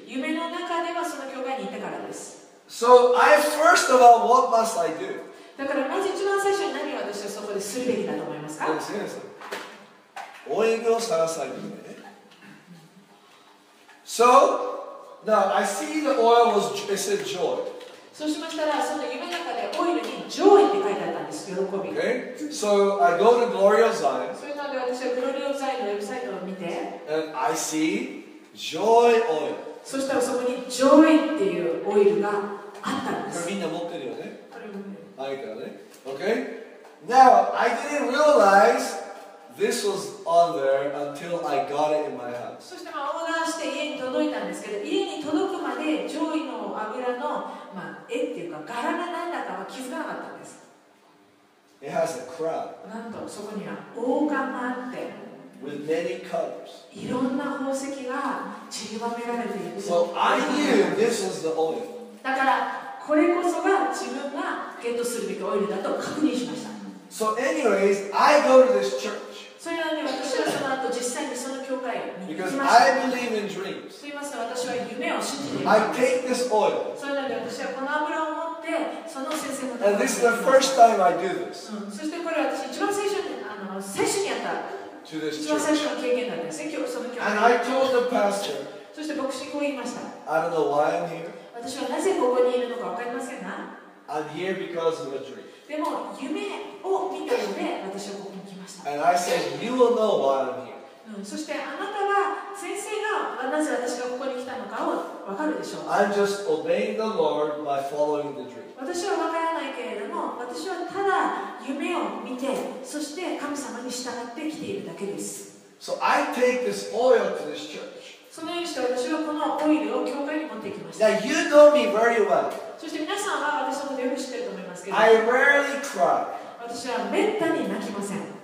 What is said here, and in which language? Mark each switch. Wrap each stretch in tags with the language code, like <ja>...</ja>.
<ja>夢の中ではその教会にいたからです。</ja> <en>So, I, first of all, what must I do?</en> <ja>だからまず一番最初に何を私はそこでするべきだと思いますか？先生、オイルを探さないでね。</ja> <en>So, now I see the oil was, it said joy.</en> <ja>そうしましたらその夢の中でオイルに joy って書いてあったんです。喜び。</ja> <en>Okay. So, I go to Gloria Zion.</en> <ja>それなので私はグロリオザイのウェブサイトを見て、</ja> <en>And I see joy oil.</en> <ja>そしたらそこに joy っていうオイルがあったんです。これみんな持ってるよね。あるからね。Okay.</ja> <en>Now I didn't realize this was on there until I got it in my house.</en> <ja>そしてまあオーダーして家に届いたんですけど、家に届くまで joy の油の絵っていうか柄が何だかは気づかなかったんです。</ja> <en>It has a crown.</en> <ja>なんとそこには王冠があって。</ja> <en>With many colors.</en> <ja>いろんな宝石が散りばめられている。</ja> <en>So I knew this was the oil.</en> <ja>だからこれこそが自分がゲットするべきオイルだと確認しました。</ja> <en>So anyways, I go to this church.</en> <ja>それなので私はその後実際にその教会に行きました。</ja> <en>Because I believe in dreams.</en> <ja>と言いますと私は夢を信じています。</ja> <en>I take this oil.</en> <ja>それなので私はこの油を持ってて、その先生のところに。</ja> <en>And this is the first time I do this.</en> <ja>そしてこれは私一番最初に、最初にやった。</ja> <en>To this church.</en> <ja>一番最初の経験なんです。今日その教会。</ja> <en>And I told the pastor.</en> <ja>そして牧師にこう言いました。</ja> <en>I don't know why I'm here.</en> <ja>私はなぜここにいるのかわかりませんが。</ja> <en>I'm here because of a dream.</en> <ja>でも夢を見たので私はここに来ました。</ja> <en>And I said, you will know why I'm here.</en> <ja>そしてあなたは先生がなぜ私がここに来たのかをわかるでしょう。</ja> <en>I'm just obeying the Lord by following the dream.</en> <ja>私はわからないけれども、私はただ夢を見て、そして神様に従ってきているだけです。</ja> <en>So I take this oil to this church.</en> <ja>そのようにして私はこのオイルを教会に持ってきました。</ja> <en>Now you know me very well.</en> <ja>そして皆さんは私のことをよく知っていると思いますけど、</ja> <en>I rarely cry.</en> <ja>私はめったに泣きません。</ja>